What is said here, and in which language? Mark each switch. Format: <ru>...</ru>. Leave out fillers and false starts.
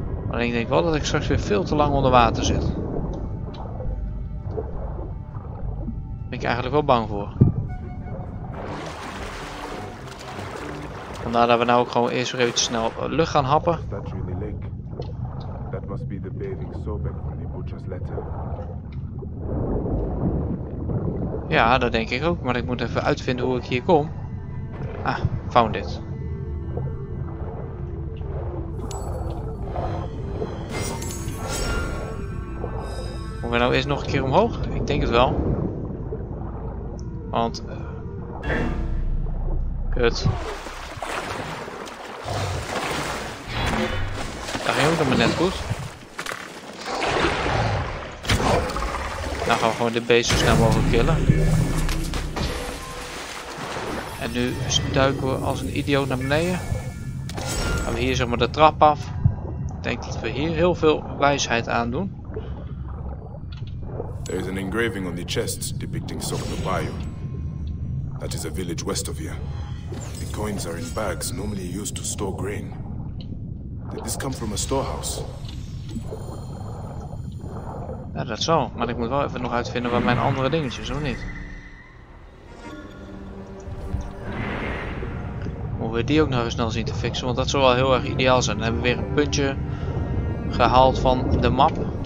<nl>Alleen ik denk wel dat ik straks weer veel te lang onder water zit. Daar ben ik eigenlijk wel bang voor. Vandaar dat we nou ook gewoon eerst weer even snel lucht gaan happen.</nl> <en>That must be the bathing Sobek from the butcher's letter.</en> <nl>Ja, dat denk ik ook, maar ik moet even uitvinden hoe ik hier kom.</nl> <en>Ah, found it.</en> <nl>Moeten we nou eerst nog een keer omhoog? Ik denk het wel. Want... Kut. Daar ging ook nog maar net goed. Dan gaan we gewoon de beest zo snel mogelijk killen. En nu duiken we als een idioot naar beneden. Gaan we hier zeg maar de trap af. Ik denk dat we hier heel veel wijsheid aan doen.</nl> <en>There is an engraving on the chest depicting Sokolobayo. That is a village west of here. The coins are in bags normally used to store grain. Did this come from a storehouse?</en> <nl>Ja, dat zal, maar ik moet wel even nog uitvinden waar mijn andere dingetjes, of niet? Moeten we die ook nog eens snel zien te fixen, want dat zou wel heel erg ideaal zijn. Dan hebben we weer een puntje gehaald van de map.</nl>